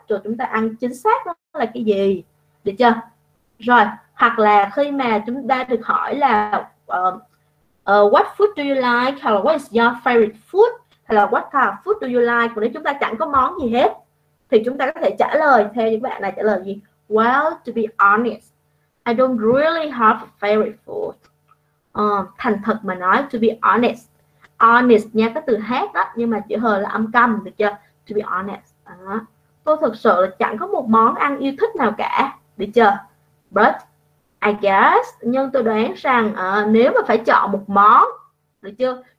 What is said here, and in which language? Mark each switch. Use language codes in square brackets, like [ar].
[vi] Rồi chúng ta ăn chính xác đó là cái gì? Được chưa? Rồi, hoặc là khi mà chúng ta được hỏi là [en] what food do you like? [vi] Hoặc là [en] what is your favorite food? [vi] Hoặc là [en] what kind of food do you like? [vi] Còn nếu chúng ta chẳng có món gì hết thì chúng ta có thể trả lời theo những bạn này, trả lời gì? [en] Well, to be honest, I don't really have a favorite food. [vi] Thành thật mà nói, [en] to be honest. [vi] Honest nha, cái từ hát đó, nhưng mà chữ hờ là âm câm, được chưa? [en] To be honest, [vi] tôi thực sự là chẳng có một món ăn yêu thích nào cả, được chưa? [en] But I guess, [vi] nhưng tôi đoán rằng nếu mà phải chọn một món, được chưa?